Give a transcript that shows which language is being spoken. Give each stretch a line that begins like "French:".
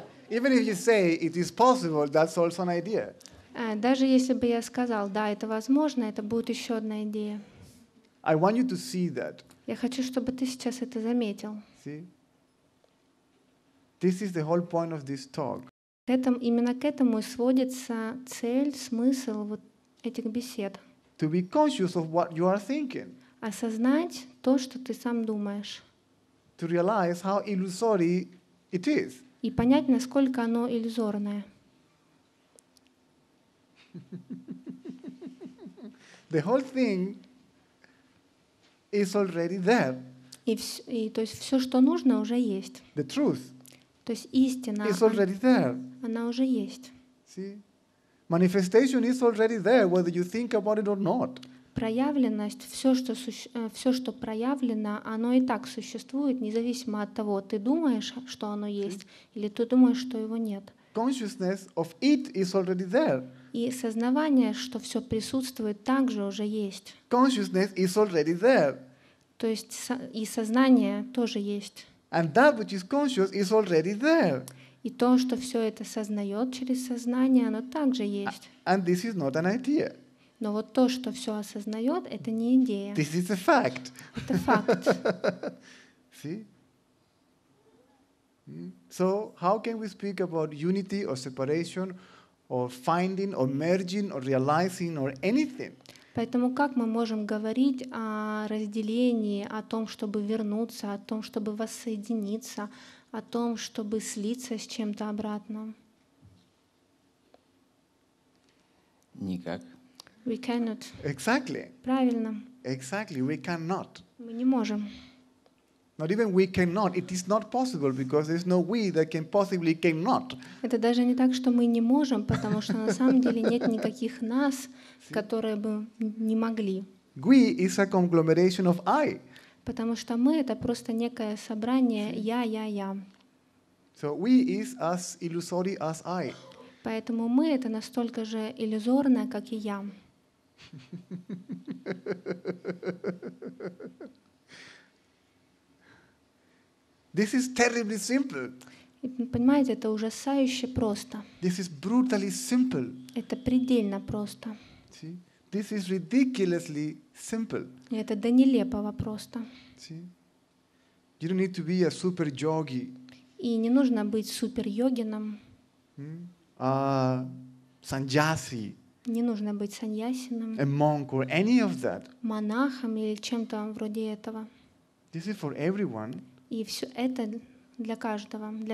English: Even if you say it is possible, that's also an idea.
Russian: Даже если бы я сказал, да, это возможно, это будет еще одна идея.
English: I want you to see that.
Russian: Я хочу, чтобы ты сейчас это заметил.
English: See? This is the whole point of this talk.
Russian: Именно к этому и сводится цель, смысл вот этих бесед.
English: To be conscious of what you are thinking.
Russian: Осознать то, что ты сам думаешь.
English: To realize how illusory it is.
Russian: И понять, насколько оно иллюзорное.
English: The whole thing is already there.
Russian: И то есть все, что нужно, уже есть.
English: The truth.
Russian: То есть истина.
English: Is already there.
Russian: Она уже есть.
English: See? Manifestation is already there, whether you think about it or not.
Russian: Проявленность, все, что проявлено, оно и так существует, независимо от того, ты думаешь, что оно есть, или ты думаешь, что его нет.
English: Consciousness of it is already there.
Russian: И сознание, что все присутствует, также уже есть.
English: Consciousness is already there.
Russian: То есть и сознание тоже есть.
English: And that which is conscious is already there.
Russian: И то, что все это сознает через сознание, оно также есть.
English: And this is not an idea.
Russian: Но вот то, что все осознает, это не идея.
English: This is a fact.
Russian: Это факт.
English: See? So how can we speak about unity or separation? Or finding, or merging, or realizing, or anything.
Russian: Поэтому как мы можем говорить о разделении, о том, чтобы вернуться, о том, чтобы воссоединиться, о том, чтобы слиться с чем-то обратно? Никак.
English: We cannot. Exactly.
Russian: Правильно.
English: Exactly, we cannot.
Russian: Мы не можем.
English: Not even we cannot. It is not possible because there's no we that can possibly cannot.
Russian: Это даже не так, что мы не можем, потому что на самом деле нет никаких нас, которые бы не могли.
English: We is a conglomeration of I.
Russian: Потому что мы — это просто некое собрание я.
English: So we is as illusory as I.
Russian: Поэтому мы — это настолько же иллюзорно, как и я.
English: This is terribly simple.
Russian: Понимаете, это ужасающе просто.
English: This is brutally simple.
Russian: Это предельно просто.
English: See? This is ridiculously simple.
Russian: И это до нелепого просто.
English: See? You don't need to be a super yogi.
Russian: И не нужно быть супер-йогином. Саньяси. Не нужно быть саньясином.
English: A monk or any of that.
Russian: Монахом или чем-то вроде этого.
English: This is for everyone.
Russian: И все это для каждого, для